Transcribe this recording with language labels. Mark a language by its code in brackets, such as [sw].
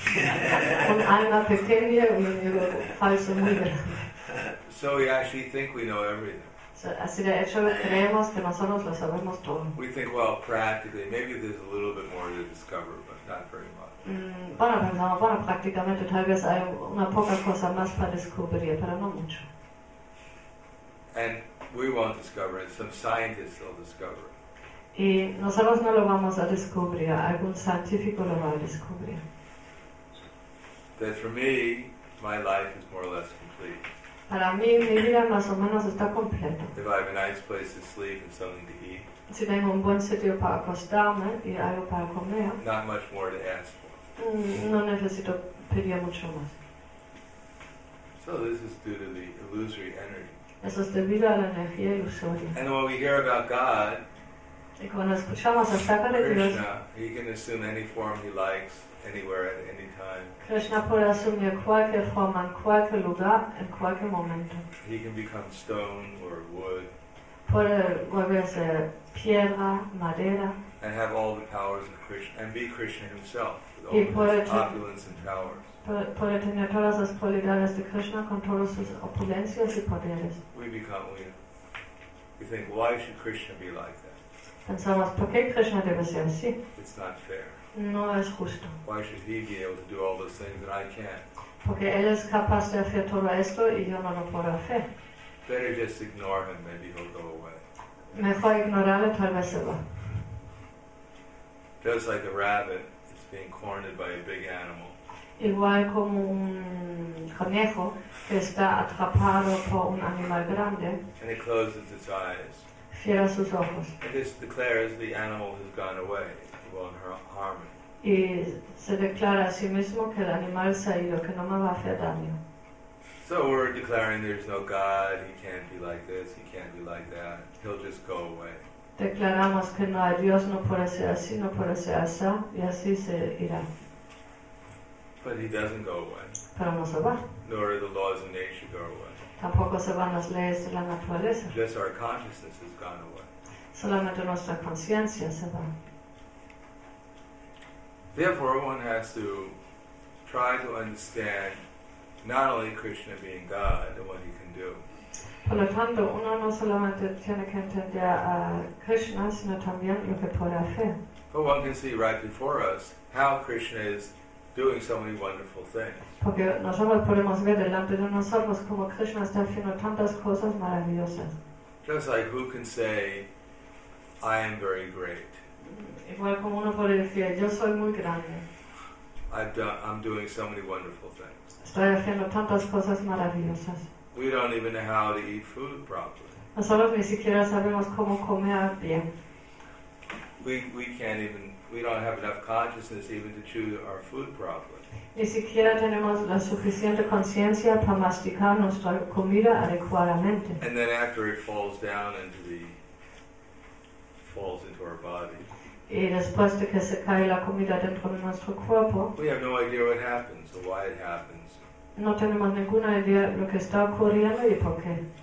[es] Un alma pequeña y un ego falso muy grande. [en] So we actually think we know everything. [es] So, así de hecho creemos que nosotros lo sabemos todo. [en] We think, well, practically, maybe there's a little bit more to discover, but not very much. [es] Bueno, pensamos, bueno, prácticamente tal vez hay una poca cosa más para descubrir, pero no mucho. [en] And we won't discover it. Some scientists will discover it. [es] Y nosotros no lo vamos a descubrir. Algún científico lo va a descubrir. [en] That for me, my life is more or less complete. [es] Para mí, mi vida más o menos está completa. [en] If I have a nice place to sleep and something to eat. [es] Si tengo un buen sitio para acostarme y algo para comer. [en] Not much more to ask for. [es] No necesito pedir mucho más. [en] So this is due to the illusory energy. [es] Eso es debido a la energía ilusoria. [en] And when we hear about God, [es] y cuando escuchamos acerca de [en] Krishna, [es] Dios, [en] he can assume any form he likes, anywhere, at any time. [es] Krishna puede asumir cualquier forma, en cualquier lugar, en cualquier momento. [en] He can become stone or wood. [es] Puede volverse piedra, madera. [en] And have all the powers of Krishna, and be Krishna himself, with all his opulence and powers. [es] Puede tener todas las cualidades de Krishna con todas sus opulencias y poderes. [en] We think, why should Krishna be like that? [es] Pensamos, ¿por qué Krishna debe ser así? [en] It's not fair. [es] No es justo. [en] Why should he be able to do all those things that I can't? [es] Porque él es capaz de hacer todo esto y yo no lo puedo hacer. [en] Better just ignore him, maybe he'll go away. [es] Mejor ignorarlo, tal vez se va. [en] Just like a rabbit is being cornered by a big animal. [es] Igual como un conejo que está atrapado por un animal grande. [en] And it closes its eyes. [es] Cierra sus ojos. [en] And this declares the animal has gone away. It won't harm it. [es] Y se declara a sí mismo que el animal se ha ido, que no me va a hacer daño. [en] So we're declaring there's no God, he can't be like this, he can't be like that. He'll just go away. [es] Declaramos que no hay Dios, no puede ser así, no puede ser así, y así se irá. [en] But he doesn't go away. [es] Pero no se va. [en] Nor do the laws of nature go away. [es] Tampoco se van las leyes de la naturaleza. [en] Just our consciousness has gone away. [es] Solamente nuestra conciencia se va. [en] Therefore, one has to try to understand not only Krishna being God and what he can do. [es] Por lo tanto, uno no solamente tiene que entender a Krishna, sino también lo que puede hacer. [en] But one can see right before us how Krishna is doing so many wonderful things. [es] Porque nosotros podemos ver delante de nosotros cómo Krishna está haciendo tantas cosas maravillosas. [en] Just like who can say, I am very great. [es] Igual como uno puede decir, yo soy muy grande. [en] I'm doing so many wonderful things. [es] Estoy haciendo tantas cosas maravillosas. [en] We don't even know how to eat food properly. [es] Nosotros ni siquiera sabemos cómo comer bien. [en] We don't have enough consciousness even to chew our food properly. [es] Ni siquiera tenemos la suficiente conciencia para masticar nuestra comida adecuadamente. [en] And then after it falls down into the falls into our body. [es] Y después de que se cae la comida dentro de nuestro cuerpo. [en] We have no idea what happens or why it happens. [es] No tenemos ninguna idea de lo que está ocurriendo y por qué.